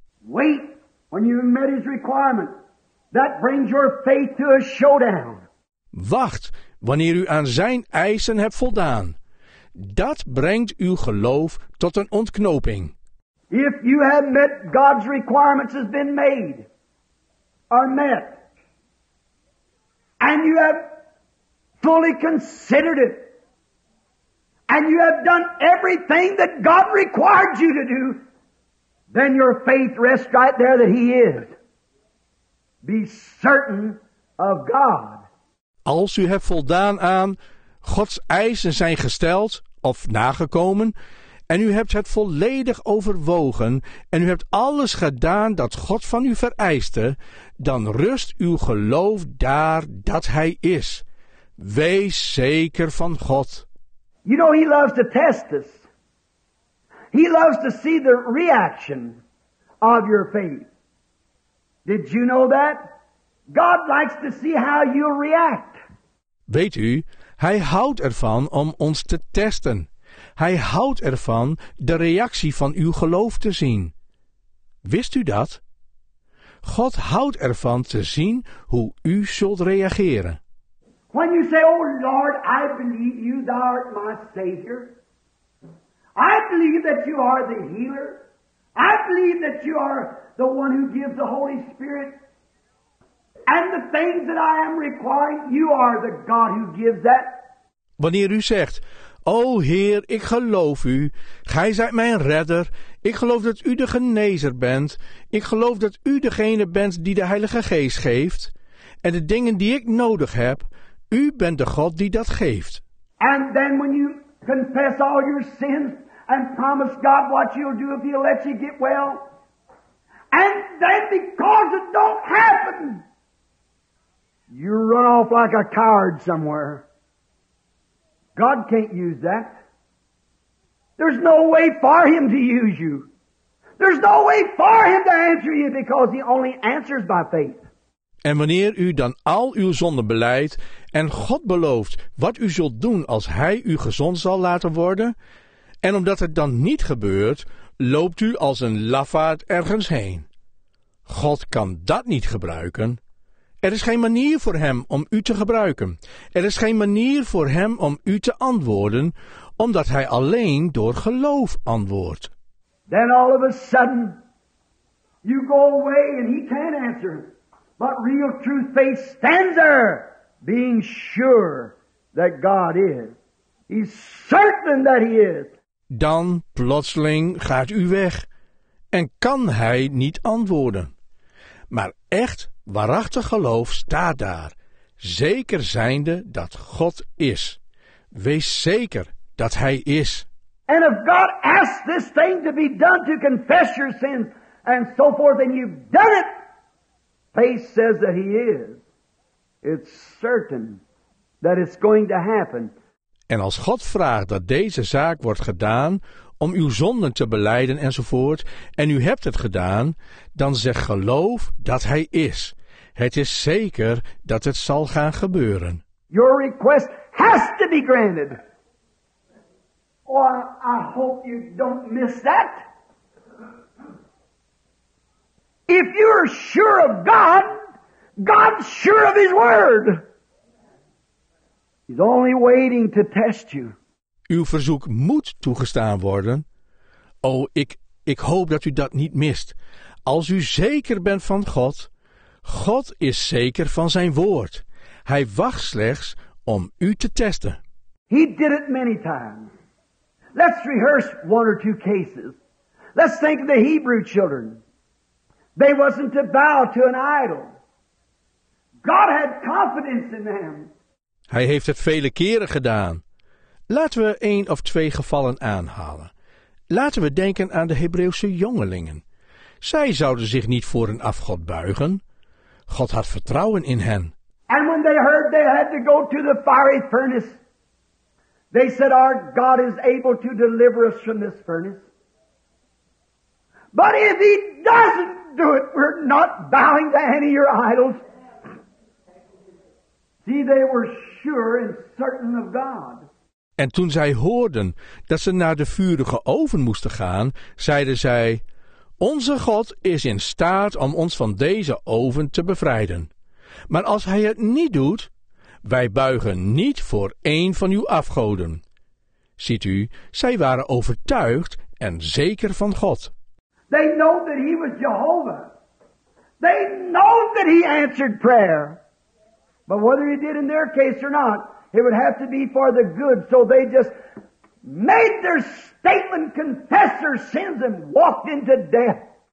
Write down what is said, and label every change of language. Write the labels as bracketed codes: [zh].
[en] Wait when you've met his requirement. That brings your faith to a showdown. [nl] Wacht wanneer u aan zijn eisen hebt voldaan. Dat brengt uw geloof tot een ontknoping. [en] If you have met God's requirements has been made, are met, and you have fully considered it, and you have done everything that God required you to do, then your faith rests right there that He is. Be certain of God. [nl] Als u hebt voldaan aan Gods eisen zijn gesteld of nagekomen, en u hebt het volledig overwogen en u hebt alles gedaan dat God van u vereiste, dan rust uw geloof daar dat Hij is. Wees zeker van God. [en] You know, He loves to test us. He loves to see the reaction of your faith. Did you know that? God likes to see how you react. [nl] Weet u, Hij houdt ervan om ons te testen. Hij houdt ervan de reactie van uw geloof te zien. Wist u dat? God houdt ervan te zien hoe u zult reageren. [en] When you say, oh Lord, I believe you, thou art my Savior. I believe that you are the healer. I believe that you are the one who gives the Holy Spirit. And the things that I am requiring, you are the God who gives that. [nl] Wanneer u zegt, o Heer, ik geloof u. Gij zijt mijn redder. Ik geloof dat u de genezer bent. Ik geloof dat u degene bent die de Heilige Geest geeft. En de dingen die ik nodig heb, u bent de God die dat geeft. [en] And then when you confess all your sins and promise God what you'll do if he'll let you get well. And then because it don't happen, you run off like a coward somewhere. God can't use that. There's no way for him to use you. There's no way for him to answer you because he only answers by faith. [nl] En wanneer u dan al uw zonden belijdt en God belooft wat u zult doen als hij u gezond zal laten worden, en omdat het dan niet gebeurt, loopt u als een lafaard ergens heen. God kan dat niet gebruiken. Er is geen manier voor hem om u te gebruiken. Er is geen manier voor hem om u te antwoorden, omdat hij alleen door geloof antwoordt. [en] Then all of a sudden, you go away and he can't answer. But real truth faith stands there, being sure that God is. He's certain that he is. [nl] Dan plotseling gaat u weg en kan hij niet antwoorden. Maar echt waarachtig geloof staat daar, zeker zijnde dat God is. Wees zeker dat Hij is. [en] And if God asks this thing to be done to confess your sins and so forth, and you've done it, faith says that He is. It's certain that it's going to happen. [nl] En als God vraagt dat deze zaak wordt gedaan om uw zonden te belijden enzovoort, en u hebt het gedaan, dan zeg geloof dat hij is. Het is zeker dat het zal gaan gebeuren. [en] Your request has to be granted. Oh, I hope you don't miss that. If you're sure of God, God's sure of his word. He's only waiting to test you. [nl] Uw verzoek moet toegestaan worden. Oh, ik hoop dat u dat niet mist. Als u zeker bent van God, God is zeker van zijn woord. Hij wacht slechts om u te testen. [en] He did it many times. Let's rehearse one or two cases. Let's think of the Hebrew children. They wasn't to bow to an idol. God had confidence in them. [nl] Hij heeft het vele keren gedaan. Laten we één of twee gevallen aanhalen. Laten we denken aan de Hebreeuwse jongelingen. Zij zouden zich niet voor een afgod buigen. God had vertrouwen in hen. [en] And when they heard they had to go to the fiery furnace, they said, our God is able to deliver us from this furnace. But if he doesn't do it, we're not bowing to any of your idols. See, they were sure and certain of God. [nl] En toen zij hoorden dat ze naar de vurige oven moesten gaan, zeiden zij, onze God is in staat om ons van deze oven te bevrijden. Maar als hij het niet doet, wij buigen niet voor één van uw afgoden. Ziet u, zij waren overtuigd en zeker van God. [en] They know that he was Jehovah. They know that he answered prayer. But whether he did in their case or not, it would have to be for the good. So they just made their statement, confess their sins and walked into death.